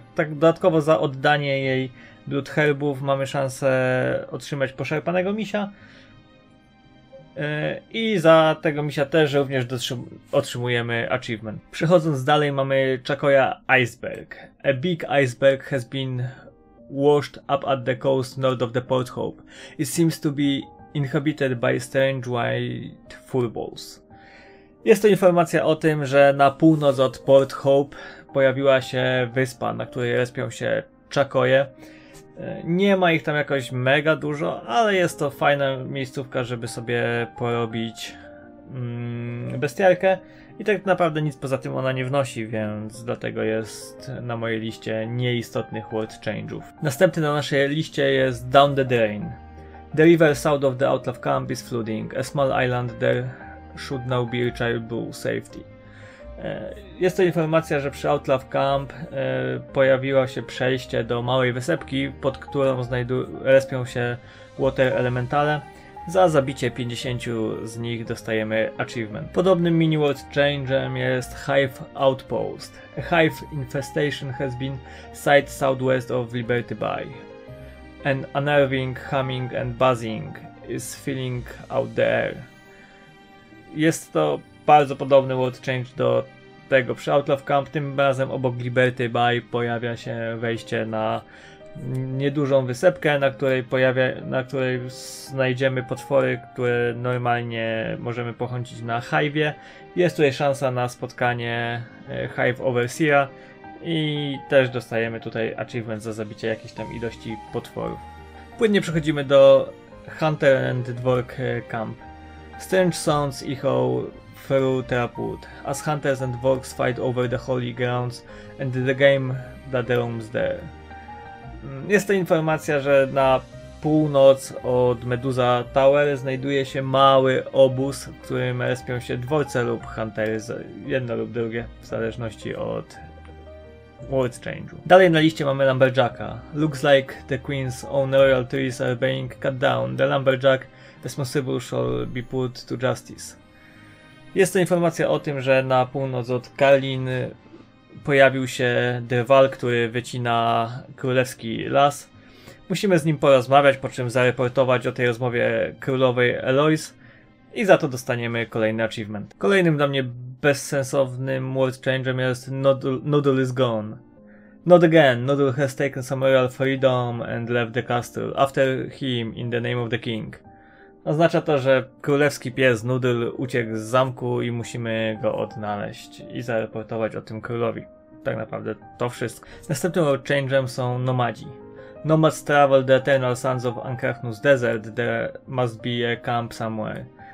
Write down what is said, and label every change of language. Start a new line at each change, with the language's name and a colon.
Polish: Dodatkowo za oddanie jej Blood Herbów mamy szansę otrzymać poszarpanego misia. I za tego misia też również otrzymujemy achievement. Przechodząc dalej, mamy Chakoya Iceberg.
English: A big iceberg has been washed up at the coast north of the Port Hope. It seems to be inhabited by strange white furballs.
Polish: Jest to informacja o tym, że na północ od Port Hope pojawiła się wyspa, na której respią się Chakoye. Nie ma ich tam jakoś mega dużo, ale jest to fajna miejscówka, żeby sobie porobić bestiarkę. I tak naprawdę nic poza tym ona nie wnosi, więc dlatego jest na mojej liście nieistotnych world change'ów. Następny na naszej liście jest Down the Drain.
English: The river south of the Outlaw Camp is flooding. A small island there should now be reachable safety.
Polish: Jest to informacja, że przy Outlaw Camp pojawiło się przejście do małej wysepki, pod którą respią się Water Elementale. Za zabicie 50 z nich dostajemy achievement. Podobnym mini world change'em jest Hive Outpost.
English: A hive infestation has been site southwest of Liberty Bay. An unnerving humming and buzzing is filling out the air.
Polish: Jest to bardzo podobny world change do tego przy Outlaw Camp. Tym razem obok Liberty Bay pojawia się wejście na niedużą wysepkę, na której znajdziemy potwory, które normalnie możemy pochodzić na Hive'ie. Jest tutaj szansa na spotkanie Hive Overseer'a i też dostajemy tutaj achievement za zabicie jakiejś tam ilości potworów. Płynnie przechodzimy do Hunter and Dwarg Camp.
English: Strange sounds echo through the wood, as hunters and dwarves fight over the holy grounds and the game that roams there.
Polish: Jest to informacja, że na północ od Medusa Tower znajduje się mały obóz, w którym respią się dworce lub huntery, jedno lub drugie, w zależności od world change'u. Dalej na liście mamy Lumberjacka.
English: Looks like the Queen's own royal trees are being cut down. The Lumberjack responsible shall be put to justice.
Polish: Jest to informacja o tym, że na północ od Karlin pojawił się drwal, który wycina królewski las. Musimy z nim porozmawiać, po czym zareportować o tej rozmowie królowej Eloise i za to dostaniemy kolejny achievement. Kolejnym dla mnie bezsensownym world change'em jest Noodle is gone.
English: Not again, Noodle has taken some royal freedom and left the castle after him in the name of the king.
Polish: Oznacza to, że królewski pies Noodle uciekł z zamku i musimy go odnaleźć i zareportować o tym królowi. Tak naprawdę to wszystko. Następnym world change'em są nomadzi.
English: Nomads travel the eternal sands of Ankrachnus Desert, there must be a camp somewhere.